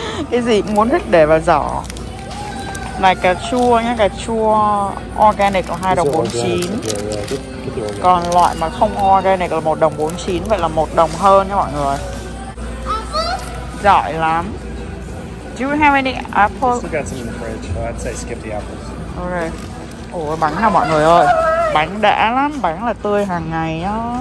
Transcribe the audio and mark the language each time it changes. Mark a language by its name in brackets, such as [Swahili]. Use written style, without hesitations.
[Vietnamese] Cái gì muốn thích để vào giỏ. Này cà chua nhá, cà chua organic là 2 đồng 49. Còn loại mà không organic là 1 đồng 49. Vậy là 1 đồng hơn nha mọi người. Giỏi lắm. [English] Do you have any apples? I've got some in the fridge, so I'd say skip the apples. [Vietnamese] Okay. Ủa bánh nào mọi người ơi. Bánh đã lắm, bánh là tươi hàng ngày á.